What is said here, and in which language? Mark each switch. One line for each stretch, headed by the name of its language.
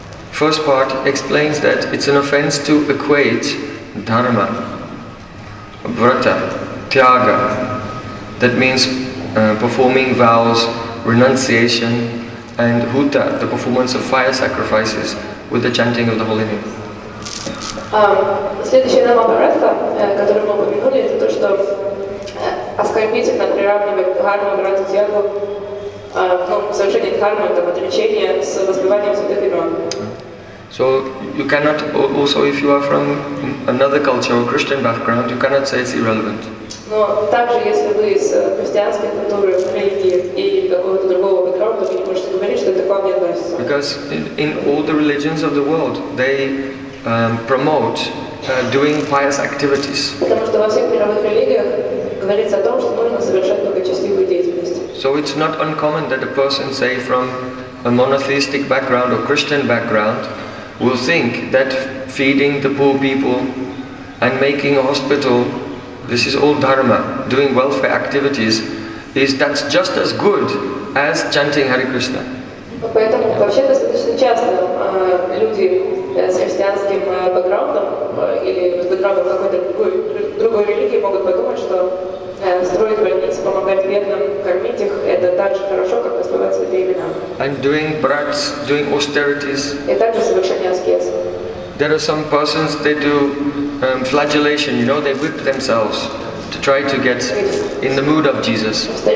English: First part explains that it's an offense to equate dharma, vrata, tyaga, that means performing vows, renunciation, and huta, the performance of fire sacrifices, with the chanting of the Holy Name.
Russian: Следующая нам обратка, которую мы упомянули, это то, что оскорбительно приравнивать дхарму, брату, тягу, совершение дхармы, это отречение с воспеванием святых имен.
English: So you cannot, also if you are from another culture or Christian background, you cannot say it's irrelevant.
Russian: Но также, если вы из христианской культуры, религии или какого-то другого background, то вы не можете говорить, что это к вам не относится.
English: Because in all the religions of the world, they promote doing pious activities.
Russian: Потому что во всех мировых религиях говорится о том, что нужно совершать благочестивую деятельность.
English: So it's not uncommon that a person, say, from a monotheistic background or Christian background, will think that feeding the poor people and making a hospital, this is all dharma, doing welfare activities, is that's just as good as chanting Hare Krishna.
Russian: Поэтому вообще достаточно часто люди с христианским бэкграундом или с бэкграундом какой-то другой религии могут подумать, что строить больницы, помогать бедным, кормить их, это так же хорошо, как воспевать святые имена.
English: And doing brats, doing austerities. There are some persons, they do flagellation, you know, they whip themselves to try to get in the mood of Jesus.